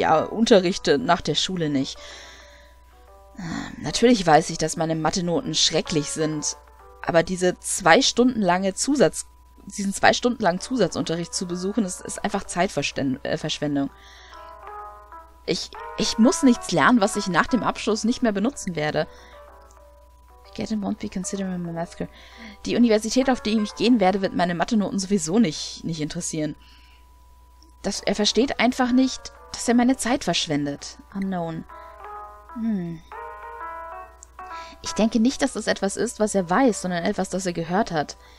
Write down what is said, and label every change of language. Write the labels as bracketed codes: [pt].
[de] Unterrichte nach der Schule nicht. Natürlich weiß ich, dass meine Mathe-Noten schrecklich sind. Aber diesen 2 Stunden langen Zusatzunterricht zu besuchen, ist einfach Zeitverschwendung. Ich muss nichts lernen, was ich nach dem Abschluss nicht mehr benutzen werde. [en] Again, won't be considering my math career. [de] Die Universität, auf die ich gehen werde, wird meine Mathe-Noten sowieso nicht interessieren. Er versteht einfach nicht, dass er meine Zeit verschwendet. [en] Unknown. [de] Ich denke nicht, dass das etwas ist, was er weiß, sondern etwas, das er gehört hat.